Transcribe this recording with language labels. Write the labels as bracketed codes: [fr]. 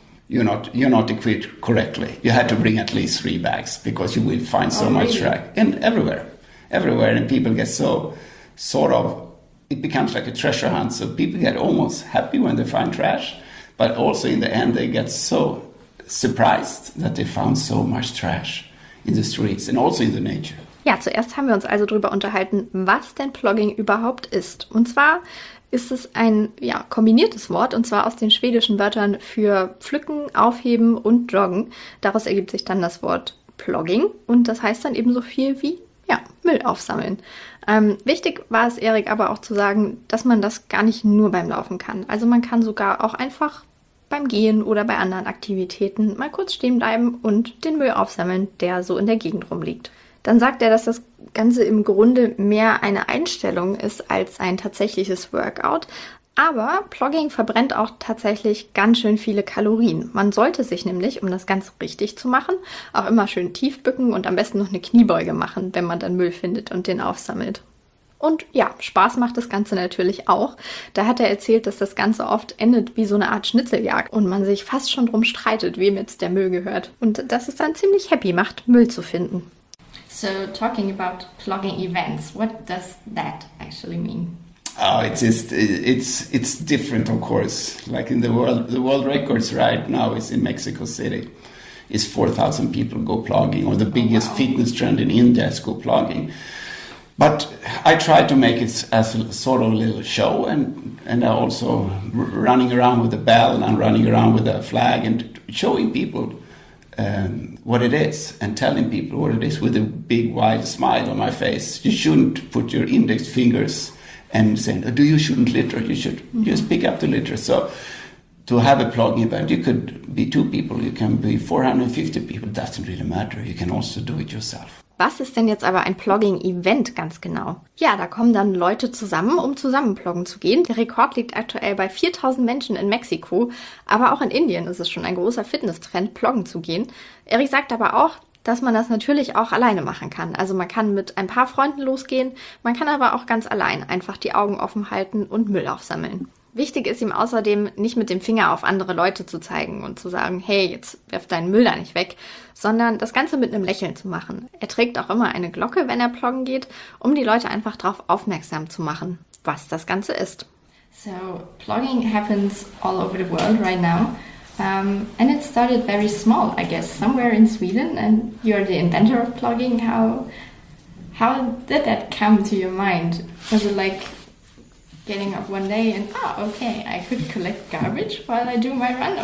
[en] You're not equipped correctly. You had to bring at least 3 bags because you will find so much trash. And everywhere. And people get so sort of, it becomes like a treasure hunt. So people get almost happy when they find trash. But also in the end, they get so surprised that they found so much trash in the streets and also in the nature. [de] Ja, zuerst haben wir uns also darüber unterhalten, was denn Plogging überhaupt ist. Und zwar ist es ein kombiniertes Wort, und zwar aus den schwedischen Wörtern für pflücken, aufheben und joggen. Daraus ergibt sich dann das Wort Plogging und das heißt dann eben so viel wie Müll aufsammeln. Wichtig war es Erik aber auch zu sagen, dass man das gar nicht nur beim Laufen kann. Also man kann sogar auch einfach beim Gehen oder bei anderen Aktivitäten mal kurz stehen bleiben und den Müll aufsammeln, der so in der Gegend rumliegt. Dann sagt er, dass das Ganze im Grunde mehr eine Einstellung ist als ein tatsächliches Workout. Aber Plogging verbrennt auch tatsächlich ganz schön viele Kalorien. Man sollte sich nämlich, um das Ganze richtig zu machen, auch immer schön tief bücken und am besten noch eine Kniebeuge machen, wenn man dann Müll findet und den aufsammelt. Und Spaß macht das Ganze natürlich auch. Da hat er erzählt, dass das Ganze oft endet wie so eine Art Schnitzeljagd und man sich fast schon drum streitet, wem jetzt der Müll gehört. Und dass es dann ziemlich happy macht, Müll zu finden. [en] So, talking about plogging events, what does that actually mean? Oh, it's different, of course. Like in the world records right now is in Mexico City. It's 4,000 people go plogging, or the biggest fitness trend in India is go plogging. But I try to make it as a sort of a little show, and I also running around with a bell, and I'm running around with a flag, and showing people what it is and telling people what it is with a big wide smile on my face. You shouldn't put your index fingers and saying, oh, do you shouldn't litter? You should just pick up the litter. So to have a plogging event, you could be two people, you can be 450 people, doesn't really matter. You can also do it yourself. [de] Was ist denn jetzt aber ein Plogging-Event ganz genau? Ja, da kommen dann Leute zusammen, um zusammen ploggen zu gehen. Der Rekord liegt aktuell bei 4000 Menschen in Mexiko. Aber auch in Indien ist es schon ein großer Fitnesstrend, ploggen zu gehen. Erik sagt aber auch, dass man das natürlich auch alleine machen kann. Also man kann mit ein paar Freunden losgehen, man kann aber auch ganz allein einfach die Augen offen halten und Müll aufsammeln. Wichtig ist ihm außerdem, nicht mit dem Finger auf andere Leute zu zeigen und zu sagen, hey, jetzt werf deinen Müll da nicht weg, sondern das Ganze mit einem Lächeln zu machen. Er trägt auch immer eine Glocke, wenn er ploggen geht, um die Leute einfach darauf aufmerksam zu machen, was das Ganze ist. [en] So, plogging happens all over the world right now. And it started very small, I guess, somewhere in Sweden. And you're the inventor of plogging. How did that come to your mind? Was it like getting up one day and, oh, okay, I could collect garbage while I do my run?